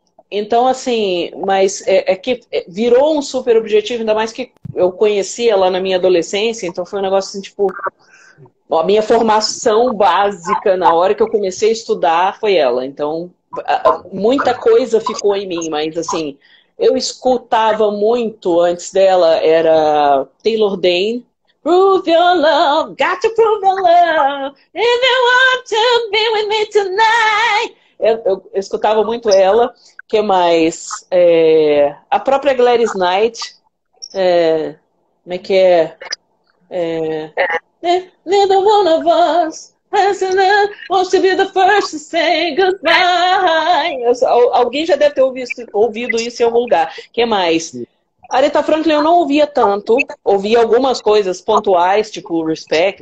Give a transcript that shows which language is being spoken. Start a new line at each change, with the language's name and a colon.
Portuguese: Então, assim, mas é que virou um super objetivo, ainda mais que eu conheci ela na minha adolescência, então foi um negócio assim, tipo, a minha formação básica na hora que eu comecei a estudar foi ela. Então, muita coisa ficou em mim, mas assim, eu escutava muito antes dela, era Taylor Dane.
English: Prove your love, got to prove your love, if you want to be with me tonight.
Portuguese: Eu escutava muito ela. Que mais? A própria Gladys Knight. Como é que é?
English: Neither one of us has enough wants to be the first to say goodbye.
Portuguese: Alguém já deve ter ouvido isso em algum lugar. Que mais? Aretha Franklin eu não ouvia tanto. Ouvia algumas coisas pontuais, tipo Respect.